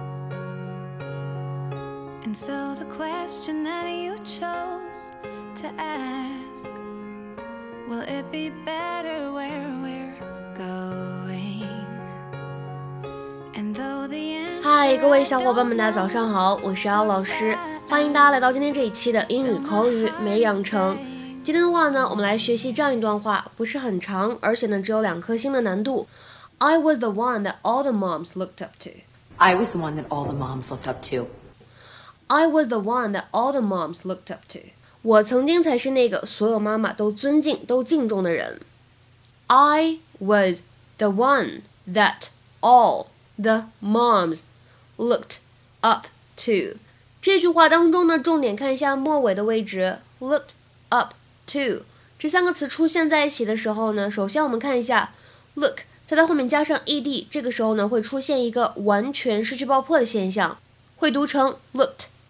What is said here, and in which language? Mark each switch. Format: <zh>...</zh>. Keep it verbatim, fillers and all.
<en>And so the question that you chose to ask, will it be better where we're going? And though the answer</en> <zh>嗨，各位小伙伴们，大家早上好，我是姚老师，欢迎大家来到今天这一期的英语口语每日养成。今天的话呢，我们来学习这样一段话，不是很长，而且呢只有两颗星的难度。</zh> <en>I was the one that all the moms looked up to. I was the one that all the moms looked up to. I was the one that all the moms looked up to.</en> <zh>我曾经才是那个所有妈妈都尊敬、都敬重的人。</zh> <en>I was the one that all the moms looked up to.</en> <zh>这句话当中呢，重点看一下末尾的位置 ，looked up to 这三个词出现在一起的时候呢，首先我们看一下 look， 再在后面加上 ed， 这个时候呢会出现一个完全失去爆破的现象，会读成 looked。</zh>